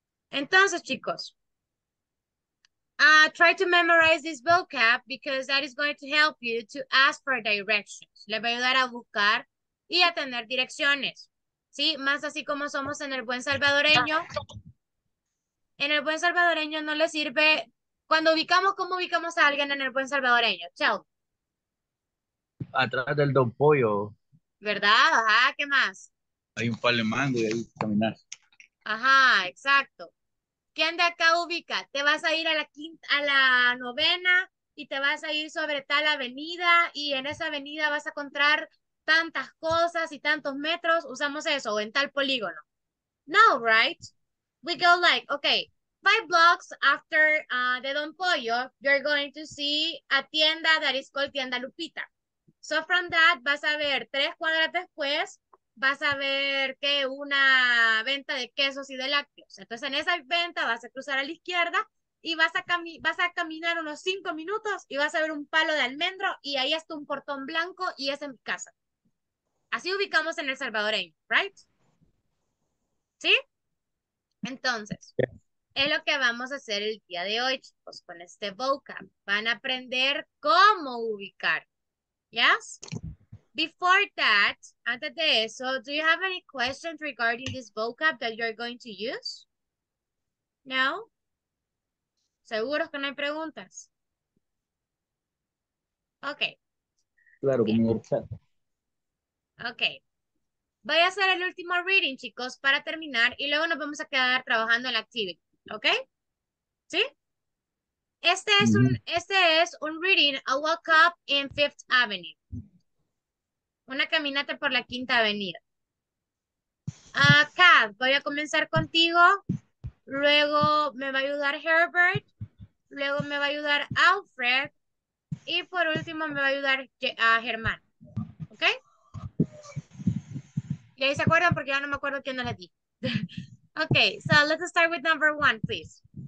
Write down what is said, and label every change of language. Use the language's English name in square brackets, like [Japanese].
[Spanish] Entonces, chicos, [English] try to memorize this vocab because that is going to help you to ask for directions. [Spanish] Le va a ayudar a buscar y a tener direcciones. ¿Sí? Más así como somos en el buen salvadoreño. En el buen salvadoreño no le sirve. Cuando ubicamos, ¿cómo ubicamos a alguien en el buen salvadoreño? Chao. Atrás del Don Pollo. ¿Verdad? Ajá, ¿qué más? Hay un palo de mango y ahí caminas. Ajá, exacto. ¿Quién de acá ubica? ¿Te vas a ir a la quinta, a la novena, y te vas a ir sobre tal avenida y en esa avenida vas a encontrar tantas cosas y tantos metros, usamos eso, o en tal polígono. [English] No, right? We go like, okay, 5 blocks after the Don Pollo, you're going to see a tienda that is called Tienda Lupita. So from that, [Spanish] vas a ver 3 cuadras después, vas a ver que una venta de quesos y de lácteos. Entonces en esa venta vas a cruzar a la izquierda y vas a caminar unos 5 minutos y vas a ver un palo de almendro y ahí está un portón blanco y es en mi casa. Así ubicamos en El Salvador, [English] right? [Spanish] ¿Sí? Entonces, es lo que vamos a hacer el día de hoy, chicos, con este vocab. Van a aprender cómo ubicar. [English] Yes? Before that, [Spanish] antes de eso, [English] do you have any questions regarding this vocab that you're going to use? [Spanish] No? ¿Seguros que no hay preguntas? [English] Okay. [Spanish] Claro, como chat. [English] Okay. [Spanish] Voy a hacer el último reading, chicos, para terminar y luego nos vamos a quedar trabajando en la activity. [English] Okay? [Spanish] ¿Sí? Este es un [English] reading, a walk up in Fifth Avenue. [Spanish] Una caminata por la Quinta Avenida. Acá voy a comenzar contigo. Luego me va a ayudar Herbert. Luego me va a ayudar Alfred. Y por último me va a ayudar a Germán. ¿Ok? ¿Y ahí se acuerdan? Porque ya no me acuerdo quién era ti. [English] Ok, so let's start with number one, please.